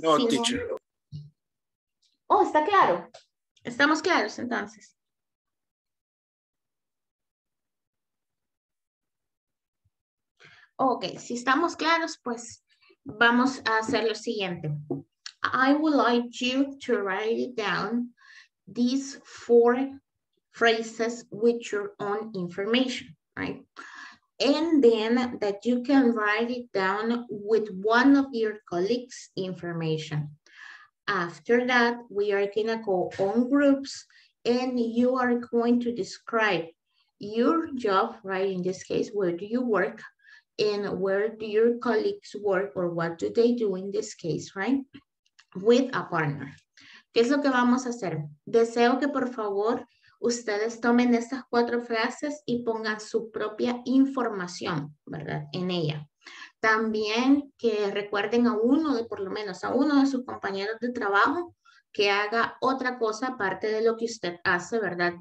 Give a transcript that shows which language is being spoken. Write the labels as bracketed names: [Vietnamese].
[Spanish] No, sí, teacher. Oh, está claro. Estamos claros, entonces. Okay, si estamos claros, pues vamos a hacer lo siguiente. [English] I would like you to write down these four phrases with your own information, right? And then that you can write it down with one of your colleagues' information. After that, we are gonna go on groups and you are going to describe your job, right? In this case, where do you work and where do your colleagues work or what do they do in this case, right? With a partner. [Spanish] ¿Qué es lo que vamos a hacer? Deseo que por favor ustedes tomen estas cuatro frases y pongan su propia información, ¿verdad? En ella. También que recuerden a uno de, por lo menos, a uno de sus compañeros de trabajo que haga otra cosa aparte de lo que usted hace, ¿verdad?